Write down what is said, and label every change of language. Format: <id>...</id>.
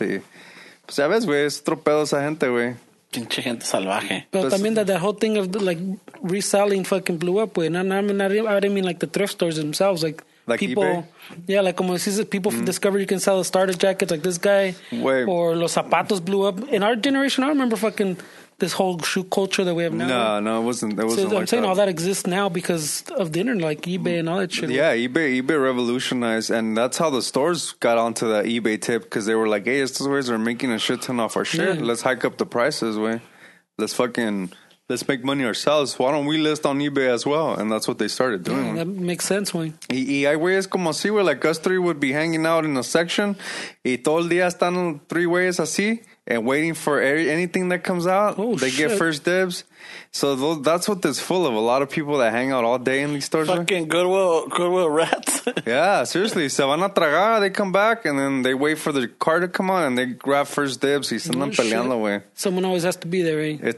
<es>Y, pues, ya ves, güey, es otro pedo esa gente, güey. Pinche gente salvaje. Pero pues, también</es> <en>the whole thing of the, like reselling fucking blew up, güey. I didn't mean like the thrift stores themselves, like people, eBay? Yeah, like</en> <es>como decís,</es> <en>people discover you can sell a starter jacket like this guy, wey. Or</en> <es>los zapatos</es> <en>blew up. In our generation, I don't remember fucking this whole shoe culture that we have now. No, it wasn't. So like I'm that. Saying all that exists now because of the internet, like eBay and all that shit. Yeah, eBay revolutionized, and that's how the stores got onto that eBay tip because they were like, hey, estos guys are making a shit ton off our shit. Yeah. Let's hike up the prices, wey. Let's make money ourselves. Why don't we list on eBay as well? And that's what they started doing. Yeah, that makes sense, güey.</en> <es>Y hay güeyes como así, güey.</es> <en>Like, us three would be hanging out in a section.</en> <es>Y todo el día están three güeyes así.</es> <en>And waiting for anything that comes out. Oh, they shit. Get first dibs. So that's what it's full of. A lot of people that hang out all day in these stores. Fucking Goodwill rats. Yeah, seriously.</en> <es>Se van a tragar.</es> <en>They come back. And then they wait for the car to come out. And they grab first dibs.</en> <es>Y se andan peleando, güey.</es> <en>Someone always has to be there, right?</en>